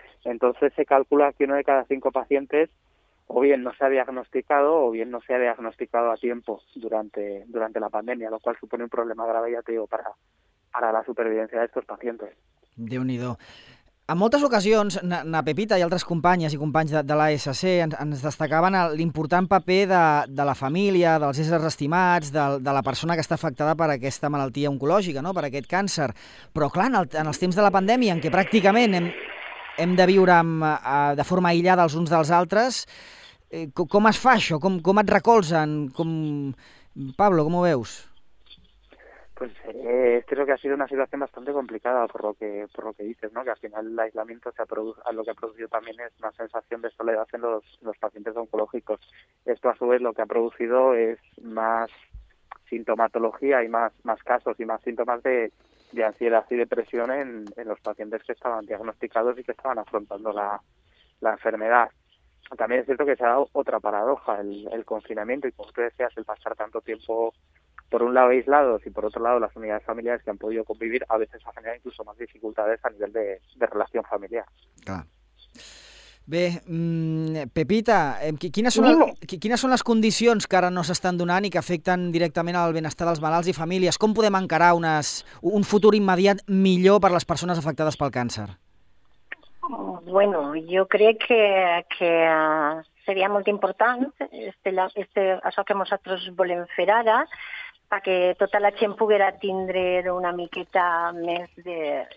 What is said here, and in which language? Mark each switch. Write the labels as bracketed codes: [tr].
[es] Entonces, se calcula que uno de cada 5 pacientes o bien no se ha diagnosticado o bien no se ha diagnosticado a tiempo durante la pandemia, lo cual supone un problema grave, ya te digo, para la supervivencia de estos pacientes. [ca] Déu-n'hi-do. En moltes ocasions, na Pepita i altres companyes i companys de l'ASC ens destacaven l'important paper de la família, dels éssers estimats, de la persona que està afectada per aquesta malaltia oncològica, no?, per aquest càncer. Però clar, en els temps de la pandèmia, en què pràcticament hem de viure de forma aïllada els uns dels altres, com es fa això? Com et recolzen? Pablo, com ho veus? [es] Pues creo que ha sido una situación bastante complicada, por lo que dices, ¿no? Que al final el aislamiento lo que ha producido también es una sensación de soledad en los pacientes oncológicos. Esto a su vez lo que ha producido es más sintomatología y más casos y más síntomas de ansiedad y depresión en los pacientes que estaban diagnosticados y que estaban afrontando la enfermedad. También es cierto que se ha dado otra paradoja, el confinamiento y, como tú decías, el pasar tanto tiempo, por un lado aislados y por otro lado las unidades familiares que han podido convivir, a veces ha generado incluso más dificultades a nivel de relación familiar. Claro. [ca] Bé, Pepita, quines són les condicions que ara no s'estan donant i que afecten directament al benestar dels malalts i famílies? Com podem encarar un futur immediat millor per a les persones afectades pel càncer? Bueno, jo crec que seria molt important això que nosaltres volem fer ara, perquè tota la gent poguera tindre una miqueta més de...